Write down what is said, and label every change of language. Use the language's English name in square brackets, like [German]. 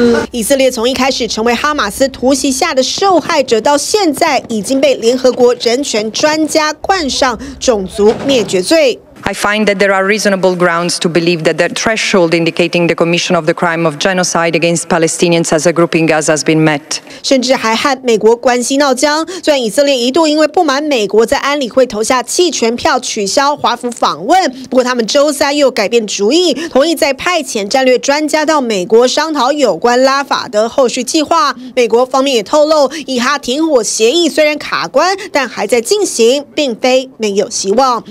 [Chinese] 以色列从一开始成为哈马斯突袭下的受害者，到现在已经被联合国人权专家冠上种族灭绝罪。 [English] I find that there are reasonable grounds to believe that the threshold indicating the commission of the crime of genocide against Palestinians as a group in Gaza has been met. [Chinese] 甚至还和美国关系闹僵。虽然以色列一度因为不满美国在安理会投下弃权票取消华府访问，不过他们周三又改变主意，同意再派遣战略专家到美国商讨有关拉法的后续计划。美国方面也透露，以哈停火协议虽然卡关，但还在进行，并非没有希望。